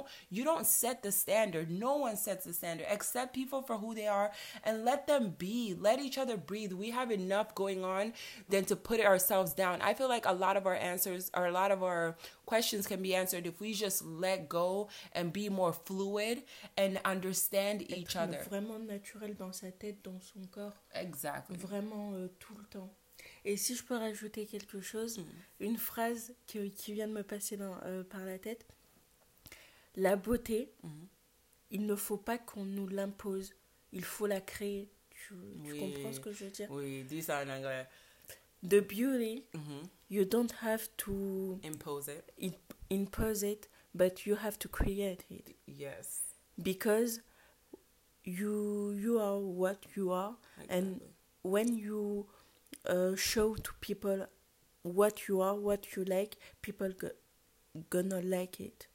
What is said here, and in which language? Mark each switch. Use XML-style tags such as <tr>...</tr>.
<en>You don't set the standard. No one sets the standard. Accept people for who they are and let them be. Let each other breathe. We have enough going on than to put ourselves down. I feel like a lot of our questions can be answered if we just let go and be more fluid and understand each other.</en> <fr>Vraiment naturel dans sa tête, dans son corps.</fr> <en>Exactly.</en> <fr>Vraiment tout le temps. Et si je peux rajouter quelque chose, une phrase qui vient de me passer par la tête. La beauté, il ne faut pas qu'on nous l'impose. Il faut la créer. Tu comprends ce que je veux dire? Oui, dis ça en anglais.</fr> <en>The beauty, you don't have to impose it, but you have to create it. Yes. Because you are what you are. Exactly. And when you show to people what you are, what you like, people gonna like it.</en>